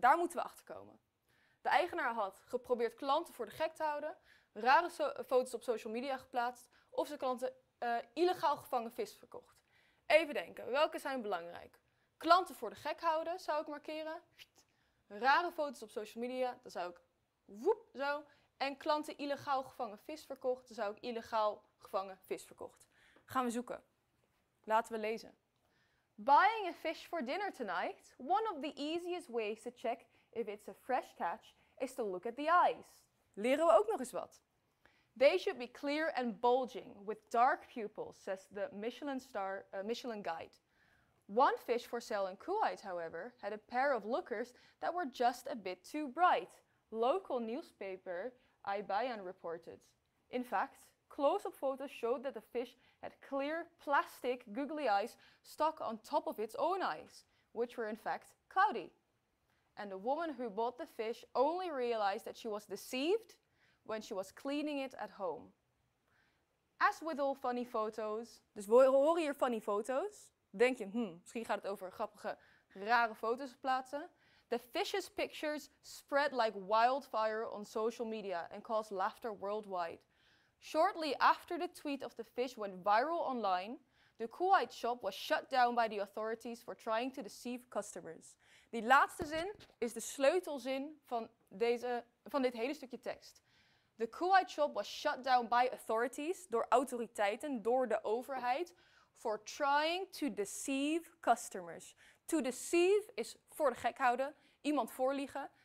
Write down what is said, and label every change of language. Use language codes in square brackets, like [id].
[nl] Daar moeten we achter komen. De eigenaar had geprobeerd klanten voor de gek te houden, rare foto's op social media geplaatst of zijn klanten illegaal gevangen vis verkocht. Even denken, welke zijn belangrijk? Klanten voor de gek houden zou ik markeren. Rare foto's op social media, dan zou ik woep zo. En klanten illegaal gevangen vis verkocht, dan zou ik illegaal gevangen vis verkocht. Gaan we zoeken. Laten we lezen. [en] Buying a fish for dinner tonight, one of the easiest ways to check if it's a fresh catch is to look at the eyes. [nl] Leren we ook nog eens wat. [en] They should be clear and bulging with dark pupils, says the Michelin guide. One fish for sale in Kuwait, however, had a pair of lookers that were just a bit too bright. Local newspaper Aibayan reported. In fact, close-up photos showed that the fish had clear plastic googly eyes stuck on top of its own eyes, which were in fact cloudy. And the woman who bought the fish only realized that she was deceived when she was cleaning it at home. As with all funny photos, [nl] dus we horen hier [en] funny photos, [nl] denk je, misschien gaat het over grappige, rare foto's plaatsen. [en] The fish's pictures spread like wildfire on social media and caused laughter worldwide. Shortly after the tweet of the fish went viral online, the Kuwait shop was shut down by the authorities for trying to deceive customers. [nl] Die laatste zin is de sleutelzin van dit hele stukje tekst. [en] The Kuwait shop was shut down by authorities, [nl] door autoriteiten, door de overheid, [en] for trying to deceive customers. [nl] To deceive is voor de gek houden, iemand voorliegen.